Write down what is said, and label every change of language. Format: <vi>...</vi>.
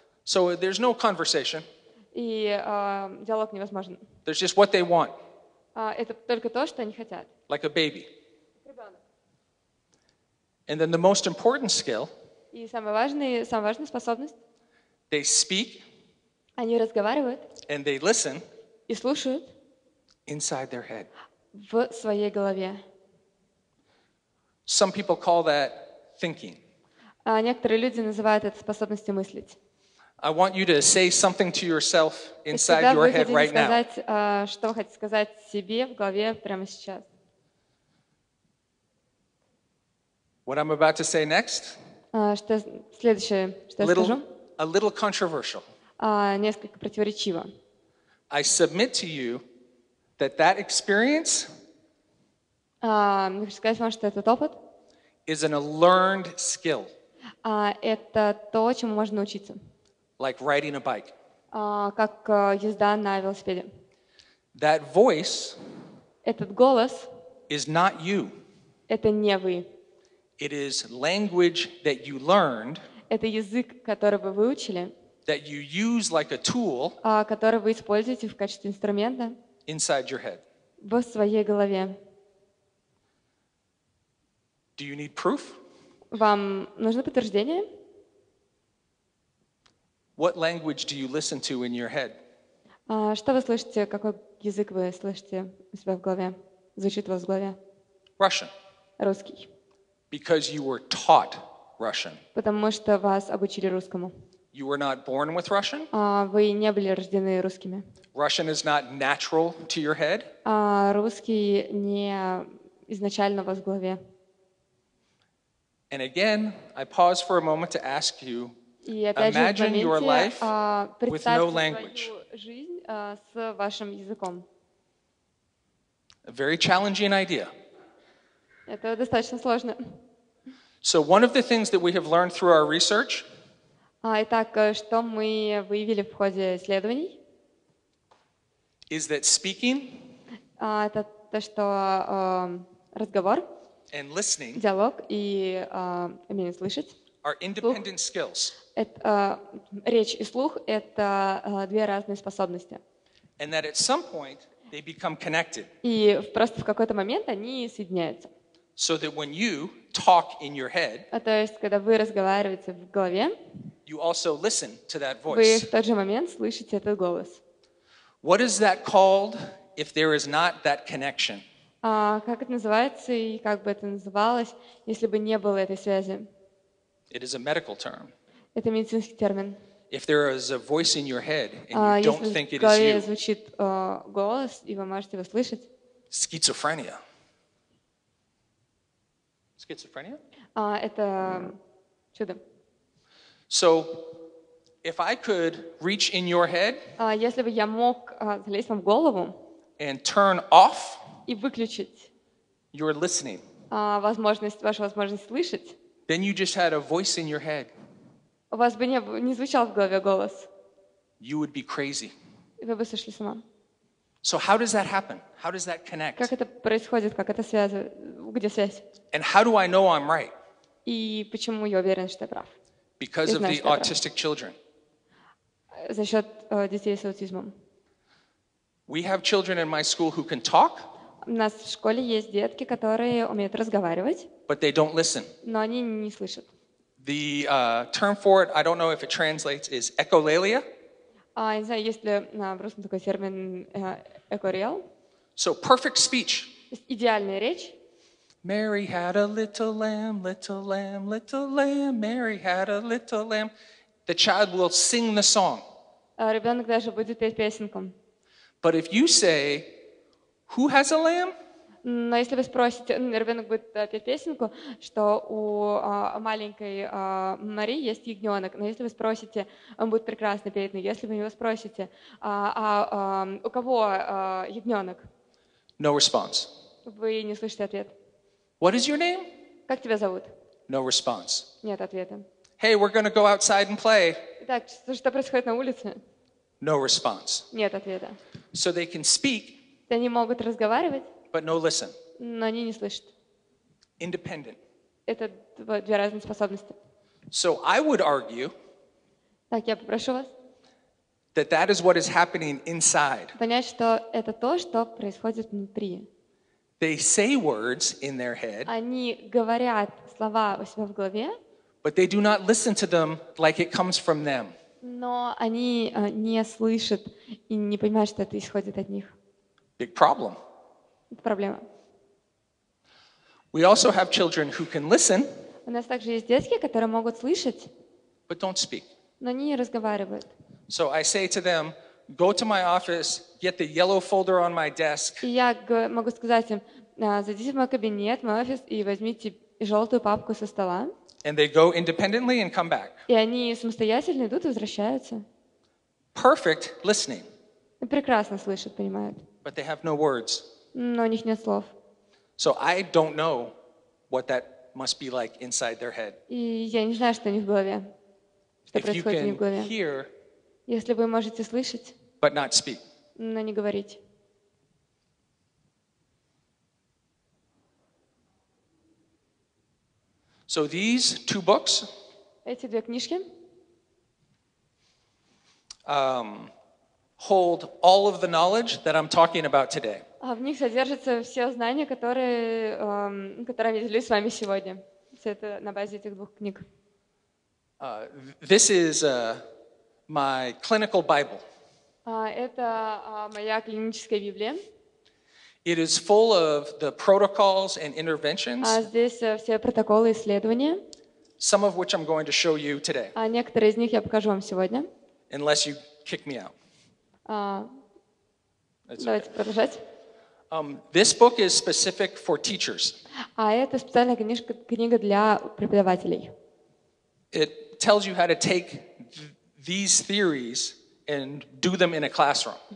<en>So there's no conversation.</en> <ru>И диалог невозможен.</ru> <en>There's just what they want.</en> <ru>Это только то, что они хотят.</ru> <en>Like a baby. And then the most important skill.</en> <ru>И самая важная способность.</ru> <en>They speak.</en> <ru>Они разговаривают.</ru> <en>And they listen.</en> <ru>И слушают.</ru> <en>Inside their head.</en> <ru>В своей голове.</ru> <en>Some people call that thinking.</en> <ru>Некоторые люди называют это способностью мыслить.</ru> <en>I want you to say something to yourself inside your head right now.</en> <ru>Что хотите сказать себе в голове прямо сейчас?</ru> <en>What I'm about to say next?</en> <ru>Что следующее, что я скажу?</ru> <en>A little controversial.</en> <ru>Несколько противоречиво.</ru> <en>I submit to you that experience.</en> <ru>Хочу сказать вам, что этот опыт.</ru> <en>Is a learned skill.</en> <ru>Это то, чему можно научиться.</ru> <en>Like riding a bike.</en> <ru>Как езда на велосипеде.</ru> <en>That voice.</en> <ru>Этот голос.</ru> <en>Is not you.</en> <ru>Это не вы.</ru> <en>It is language that you learned.</en> <ru>Это язык, который вы выучили.</ru> <en>That you use like a tool.</en> <ru>Который вы используете в качестве инструмента.</ru> <en>Inside your head.</en> <ru>В своей голове.</ru> <en>Do you need proof?</en> <ru>Вам нужно подтверждение?</ru> <en>What language do you listen to in your head?</en> <ru>Что вы слышите? Какой язык вы слышите у себя в голове? Звучит у вас в голове?</ru> <en>Russian.</en> <ru>Русский.</ru> <en>Because you were taught Russian.</en> <ru>Потому что вас обучили русскому.</ru> <en>You were not born with Russian.</en> <ru>Вы не были рождены русскими.</ru> <en>Russian is not natural to your head.</en> <ru>Русский не изначально у вас в голове.</ru> <en>And again, I pause for a moment to ask you, imagine your life with no language.</en> <ru>С вашим языком.</ru> <en>A very challenging idea.</en> <ru>Это достаточно сложно.</ru> <en>So one of the things that we have learned through our research.</en> <ru>Итак, что мы выявили в ходе исследований?</ru> <en>Is that speaking?</en> <ru>Это то, что разговор.</ru> <en>And listening.</en> <ru>Диалог и умение слышать.</ru> <en>Are independent skills.</en> <ru>Это речь и слух — это две разные способности.</ru> <en>And that at some point they become connected.</en> <ru>И просто в какой-то момент они соединяются.</ru> <en>So that when you talk in your head,</en> <ru>то есть когда вы разговариваете в голове,</ru> <en>you also listen to that voice.</en> <ru>Вы в тот же момент слышите этот голос.</ru> <en>What is that called if there is not that connection?</en> <ru>Как это называется и как бы это называлось, если бы не было этой связи?</ru> <en>It is a medical term.</en> <ru>Это медицинский термин.</ru> <en>If there is a voice in your head and you don't think it is you,</en> <ru>если в голове звучит голос и вы можете его слышать,</ru> <en>schizophrenia.</en> <ru>Это чудо.</ru> <en>So, if I could reach in your head,</en> <ru>если бы я мог залезть вам в голову,</ru> <en>and turn off,</en> <ru>и выключить,</ru> <en>your listening,</en> <ru>вашу возможность слышать,</ru> <en>then you just had a voice in your head.</en> <ru>У вас бы не звучал в голове голос.</ru> <en>You would be crazy.</en> <ru>Вы бы сошли с ума.</ru> <en>So how does that happen? How does that connect?</en> <ru>Как это происходит? Как это связано? Где связь?</ru> <en>And how do I know I'm right?</en> <ru>И почему я уверен, что я прав?</ru> <en>Because of the autistic children.</en> <ru>За счет детей с аутизмом.</ru> <en>We have children in my school who can talk.</en> <ru>У нас в школе есть детки, которые умеют разговаривать.</ru> <en>But they don't listen.</en> <ru>Но они не слышат.</ru> <en>The term for it, I don't know if it translates, is echolalia.</en> <ru>Не знаю, есть ли в русском такой термин «экорел».</ru> <en>So perfect speech.</en> <ru>Идеальная речь.</ru> <en>Mary had a little lamb, little lamb, little lamb. Mary had a little lamb. The child will sing the song.</en> <ru>Ребенок даже будет петь песенку.</ru> <en>But if you say, who has a lamb?</en> <ru>Но если вы спросите, ребенок будет петь песенку, что у маленькой Марии есть ягненок. Но если вы спросите, он будет прекрасно петь. Но если вы его спросите, у кого ягненок?</ru> <en>No response.</en> <ru>Вы не слышите ответ.</ru> <en>What is your name?</en> <ru>Как тебя зовут?</ru> <en>No response.</en> <ru>Нет ответа.</ru> <en>Hey, we're going to go outside and play.</en> <ru>Итак, что происходит на улице?</ru> <en>No response.</en> <ru>Нет ответа.</ru> <en>So they can speak.</en> <ru>Они могут разговаривать.</ru> <en>But no listen.</en> <ru>Но они не слышат.</ru> <en>Independent.</en> <ru>Это две разные способности.</ru> <en>So I would argue.</en> <ru>Так, я попрошу вас.</ru> <en>That that is what is happening inside.</en> <ru>Понять, что это то, что происходит внутри.</ru> <en>They say words in their head.</en> <ru>Они говорят слова у себя в голове.</ru> <en>But they do not listen to them like it comes from them.</en> <ru>Но они не слышат и не понимают, что это исходит от них.</ru> <en>Big problem.</en> <ru>Это проблема.</ru> <en>We also have children who can listen.</en> <ru>У нас также есть детки, которые могут слышать.</ru> <en>But don't speak.</en> <ru>Но они не разговаривают.</ru> <en>So I say to them, go to my office, get the yellow folder on my desk.</en> <ru>Я могу сказать им, зайдите в мой кабинет, в мой офис и возьмите желтую папку со стола.</ru> <en>And they go independently and come back.</en> <ru>И они самостоятельно идут и возвращаются.</ru> <en>Perfect listening.</en> <ru>Прекрасно слышат, понимают.</ru> <en>But they have no words.</en> <ru>Но у них нет слов.</ru> <en>So I don't know what that must be like inside their head.</en> <ru>И я не знаю, что у них в голове. Что происходит у них в голове.</ru> <en>If you can hear,</en> <ru>если вы можете слышать,</ru> <en>but not speak.</en> <ru>Но не говорить.</ru> <en>So these two books,</en> <ru>эти две книжки,</ru> <en>hold all of the knowledge that I'm talking about today.</en> <ru>В них содержатся все знания, которые я делюсь с вами сегодня. Это на базе этих двух книг.</ru> <en>This is my clinical Bible.</en> <ru>Моя клиническая Библия.</ru> <en>It is full of the protocols and interventions.</en> <ru>Здесь все протоколы исследования.</ru> <en>Some of which I'm going to show you today.</en> <ru>Некоторые из них я покажу вам сегодня.</ru> <en>Unless you kick me out.</en> <ru>Давайте продолжать.</ru> <en>This book is specific for teachers.</en> <ru>Это специальная книга для преподавателей.</ru> <en>It tells you how to take these theories and do them in a classroom.</en>